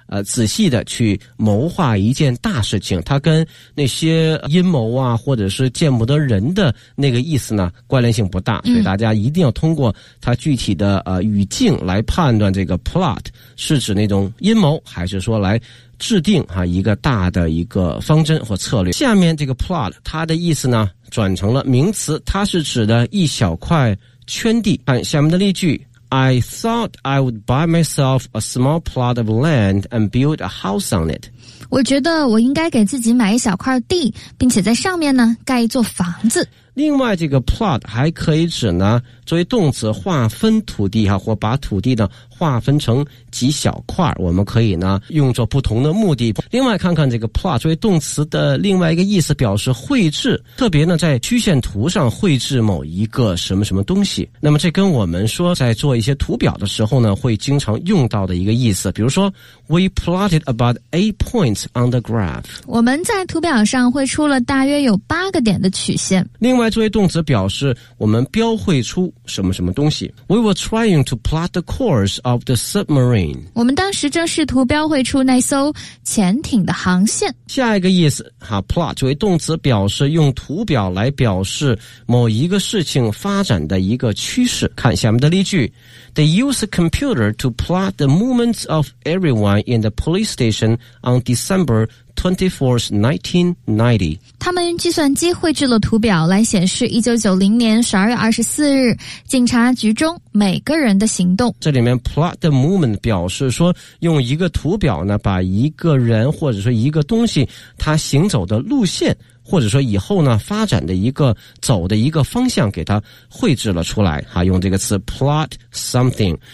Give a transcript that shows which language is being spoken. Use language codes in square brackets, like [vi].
[zh] 仔细的去谋划一件大事情，它跟那些阴谋啊或者是见不得人的那个意思呢关联性不大，所以大家一定要通过它具体的语境来判断这个 plot 是指那种阴谋还是说来制定啊一个大的一个方针或策略。下面这个 plot 它的意思呢转成了名词，它是指的一小块圈地。看下面的例句， [en] I thought I would buy myself a small plot of land and build a house on it. [zh] 我觉得我应该给自己买一小块地，并且在上面呢盖一座房子。另外这个 plot 还可以指呢作为动词划分土地啊，或把土地呢划分成几小块，我们可以呢用作不同的目的。另外看看这个 plot 作为动词的另外一个意思，表示绘制，特别呢在曲线图上绘制某一个什么什么东西。那么这跟我们说在做一些图表的时候呢会经常用到的一个意思，比如说 [en] We plotted about 8 points on the graph， [zh] 我们在图表上绘出了大约有八个点的曲线。另外作为动词表示我们标绘出什么什么东西， [en] We were trying to plot the course of the submarine， [zh] 我们当时正试图标绘出那艘潜艇的航线。下一个意思哈 plot 作为动词表示用图表来表示某一个事情发展的一个趋势。看下面的例句， [en] They use a computer to plot the movements of everyone in the police station on December 24th, 1990. [zh] 他们计算机绘制了图表来显示1990年12月24日警察局中每个人的行动。这里面 [en] plot the movement [zh] 表示说用一个图表呢把一个人或者说一个东西他行走的路线或者说以后呢发展的一个走的一个方向给它绘制了出来哈，用这个词 [en] plot something。